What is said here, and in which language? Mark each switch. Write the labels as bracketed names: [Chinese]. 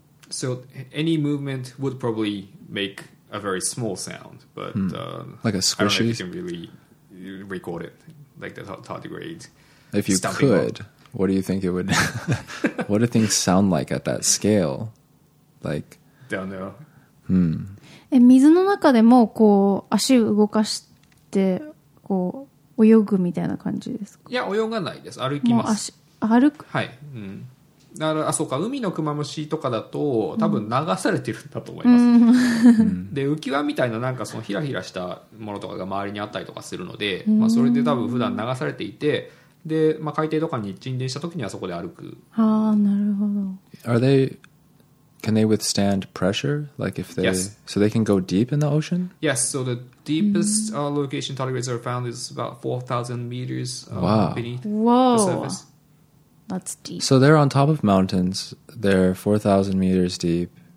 [English] So any movement would probably make a very small sound, but like a squishy. I don't know if you can really record it, like the tardigrade. If you could, what do you think it would? What do things sound like at that scale? Like, don't know. Hmm. [Japanese] 水の中でもこう足を動かしてこう泳ぐみたいな感じですか？いや、泳がないです。歩きます。もう足歩く。はい。うん。だからあそうか海のクマムシとかだと多分流されてるんだと思います、で浮き輪みたいななんかそのヒラヒラしたものとかが周りにあったりとかするので、まあ、それで多分普段流されていてで、まあ、海底とかに沈殿した時にはそこで歩くああなるほど [English] Are they can they withstand pressure like if they Yes. so they can go deep in the ocean Yes so the deepest location tardigrades are found is about 4,000 meters beneath Whoa. the surface That's deep. So they're on top of mountains. They're 4,000 meters deep.